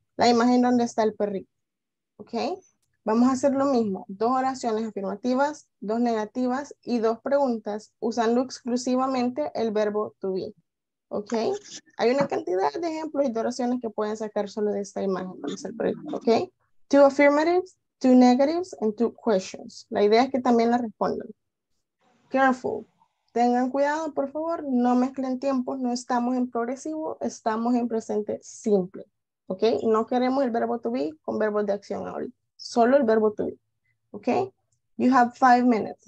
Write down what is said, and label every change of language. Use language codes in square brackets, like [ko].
[es] La imagen donde está el perrito. Okay, vamos a hacer lo mismo. Dos oraciones afirmativas, dos negativas y dos preguntas usando exclusivamente el verbo to be. Okay, hay una cantidad de ejemplos y de oraciones que pueden sacar solo de esta imagen. [en] Okay, two affirmatives, two negatives, and two questions. [es] La idea es que también la respondan. [en] Careful, [es] tengan cuidado, por favor, no mezclen tiempos. No estamos en progresivo, estamos en presente simple. ¿Ok? No queremos el verbo to be con verbos de acción ahorita. Solo el verbo to be. ¿Ok? [en] You have 5 minutes.